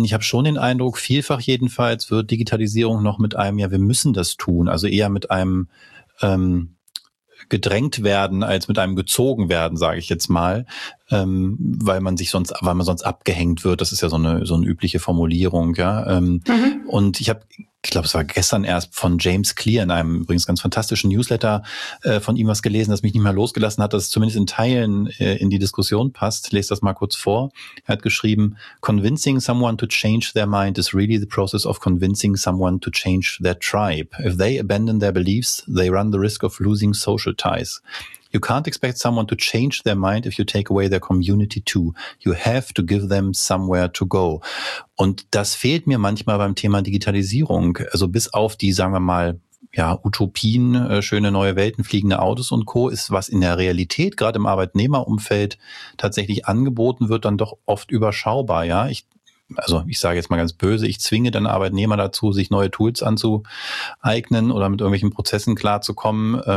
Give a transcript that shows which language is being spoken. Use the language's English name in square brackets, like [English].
[German] Denn ich habe schon den Eindruck, vielfach jedenfalls wird Digitalisierung noch mit einem, ja, wir müssen das tun, also eher mit einem gedrängt werden als mit einem gezogen werden, sage ich jetzt mal, weil man sonst abgehängt wird. Das ist ja so eine übliche Formulierung, ja. Und ich glaube, es war gestern erst von James Clear in einem übrigens ganz fantastischen Newsletter von ihm was gelesen, das mich nicht mehr losgelassen hat, dass es zumindest in Teilen in die Diskussion passt. Ich lese das mal kurz vor. Er hat geschrieben, [English] convincing someone to change their mind is really the process of convincing someone to change their tribe. If they abandon their beliefs, they run the risk of losing social ties. You can't expect someone to change their mind if you take away their community too. You have to give them somewhere to go. [German] Und das fehlt mir manchmal beim Thema Digitalisierung. Also bis auf die, sagen wir mal, ja, Utopien, schöne neue Welten, fliegende Autos und Co. ist, was in der Realität, gerade im Arbeitnehmerumfeld, tatsächlich angeboten wird, dann doch oft überschaubar. Ja, ich sage jetzt mal ganz böse, ich zwinge dann Arbeitnehmer dazu, sich neue Tools anzueignen oder mit irgendwelchen Prozessen klarzukommen.